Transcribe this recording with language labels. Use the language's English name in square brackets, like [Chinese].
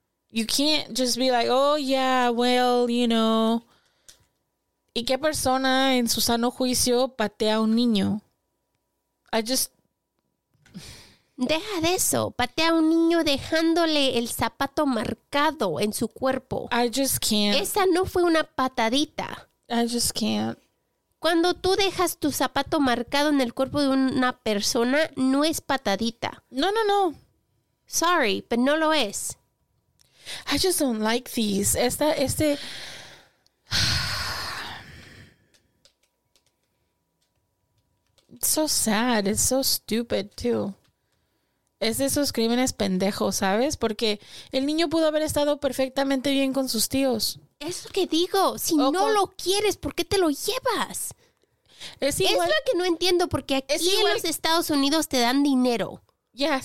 [English] You can't just be like, oh, yeah, well, you know... [Spanish] ¿Y qué persona en su sano juicio patea a un niño? Deja de eso. Patea a un niño dejándole el zapato marcado en su cuerpo. [English] I just can't. [Spanish] Esa no fue una patadita. [English] I just can't. [Spanish] Cuando tú dejas tu zapato marcado en el cuerpo de una persona, no es patadita. No. Sorry, pero no lo es. [English] I just don't like these. It's so sad, it's so stupid too. [Spanish] Es de esos crímenes pendejos, ¿sabes? Porque el niño pudo haber estado perfectamente bien con sus tíos. Es lo que digo, si o no con... lo quieres, ¿por qué te lo llevas? Es igual. Es lo que no entiendo, porque aquí es igual... en los Estados Unidos te dan dinero. [English] Yes.